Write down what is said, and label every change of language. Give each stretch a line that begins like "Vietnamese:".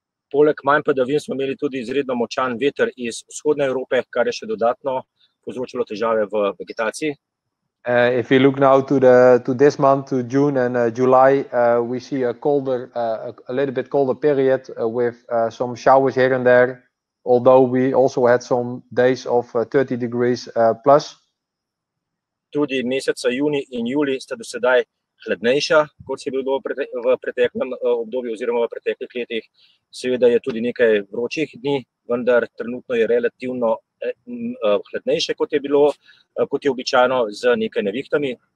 Slovenian: Poleg manj padavin smo imeli tudi izredno močan veter iz vzhodne Evrope, kar je še dodatno povzročilo težave v vegetaciji.
English: If you look now to this month, to June and July, we see a little bit colder period with some showers here and there, although we also had some days of 30 degrees plus.
Slovenian: Tudi meseca juni in juli sta do sedaj hladnejša, kot si bil v preteklem obdobju oziroma v preteklih letih. Seveda je tudi nekaj vročih dni, vendar trenutno je relativno hladnejše, kot je bilo, kot je običajno, z nekaj nevihtami.